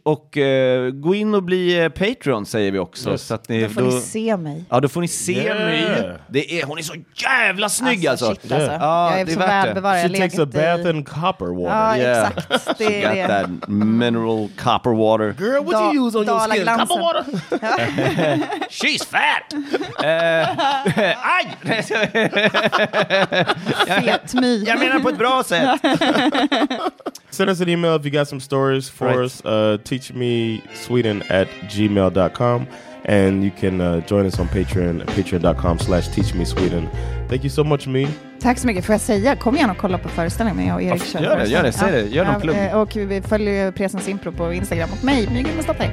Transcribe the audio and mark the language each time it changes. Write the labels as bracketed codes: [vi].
[sv] Och gå in och bli Patreon, säger vi också. Yes. Så att ni, då får ni se mig. Ja, då får ni se mig. Det är, hon är så jävla snygg alltså. Shit, alltså. Yeah. Ja, jag är så välbevarad. [en] She takes a bath in copper water. [sv] Ja, exakt. Det [en] got that mineral copper water. Girl, what do you use on your skin? [sv] Glansen. [en] Copper water? She's fat! [sv] Fet my. Jag menar på ett bra sätt. [en] Send us an email if you got some stories for us. teachmesweden@gmail.com, and you can join us on Patreon, patreon.com/teachmesweden. Thank you so much, My. [sv] Tack så mycket. Får jag säga, kom igen och kolla på föreställningen med jag och Erik. Gör det. Och vi följer Presens Impro på Instagram och mig, My Gudmundsdotter.